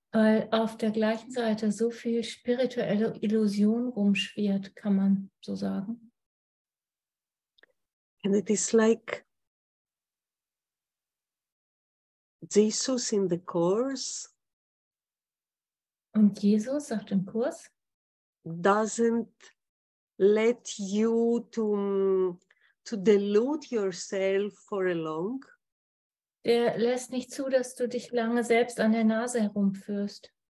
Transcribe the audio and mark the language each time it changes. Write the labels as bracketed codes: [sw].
[de] Weil auf der gleichen Seite so viel spirituelle Illusion rumschwirrt, kann man so sagen. [en] And it is like Jesus in the course. [de] Und Jesus sagt im Kurs, [en] doesn't let you to delude yourself for a long. [de] Der lässt nicht zu, dass du dich lange selbst an der Nase herumführst.